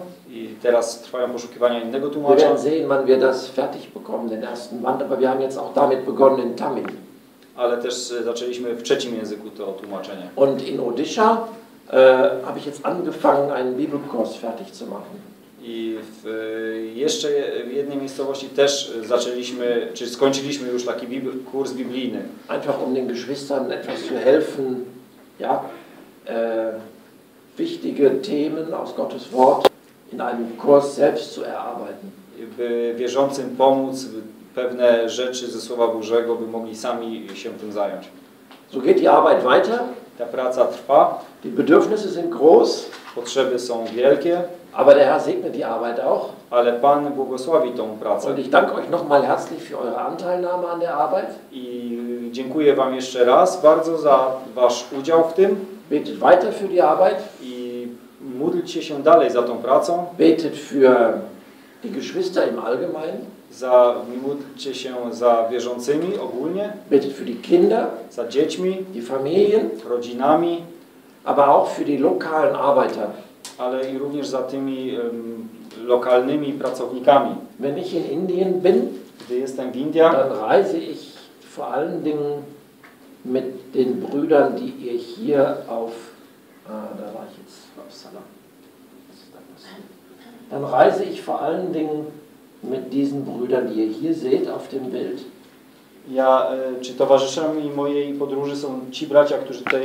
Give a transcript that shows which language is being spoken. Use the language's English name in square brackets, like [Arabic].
[Polish] I teraz trwają poszukiwania innego tłumacza. [German] Sehen, wann wir das fertig bekommen, den ersten Band, aber wir haben jetzt auch damit begonnen in Tamil. [Polish] Ale też zaczęliśmy w trzecim języku to tłumaczenie. [German] Und in Odisha habe ich jetzt angefangen, einen Bibelkurs fertig zu machen. [Polish] I jeszcze w jednej miejscowości też zaczęliśmy, czy skończyliśmy już taki kurs biblijny. [German] Einfach um den Geschwistern etwas zu helfen. Ja, wichtige Themen aus Gottes Wort in einem Kurs selbst zu erarbeiten. [Polish] By wierzącym pomóc, pewne rzeczy ze Słowa Bożego, by mogli sami się tym zająć. [German] So geht die Arbeit weiter. [Polish] Ta praca trwa. [German] Die Bedürfnisse sind groß. [Polish] Potrzeby są wielkie. [German] Aber der Herr segne die Arbeit auch. [Polish] Ale Pan błogosławi tą pracę. [German] Und ich danke euch nochmal herzlich für eure Anteilnahme an der Arbeit. [Polish] I dziękuję wam jeszcze raz bardzo za wasz udział w tym. [German] Betet weiter für die Arbeit. [Polish] I módlcie się dalej za tą pracą. [German] Betet für die Geschwister im Allgemeinen. [Polish] Za, módlcie się za wierzącymi ogólnie. [German] Betet für die Kinder. [Polish] Za dziećmi. [German] Die Familien. [Polish] Rodzinami. [German] Aber auch für die lokalen Arbeiter. [Polish] Ale i również za tymi lokalnymi pracownikami. [German] Wenn ich in Indien bin, [Polish] gdy jestem w Indiach, [German] dann reise ich vor allen Dingen mit den Brüdern, die ihr hier auf da war ich jetzt auf Salam. Dann reise ich vor allen Dingen mit diesen Brüdern, die ihr hier seht auf dem Bild. [Polish] Ja, czy towarzyszami mojej podróży są ci bracia, którzy tutaj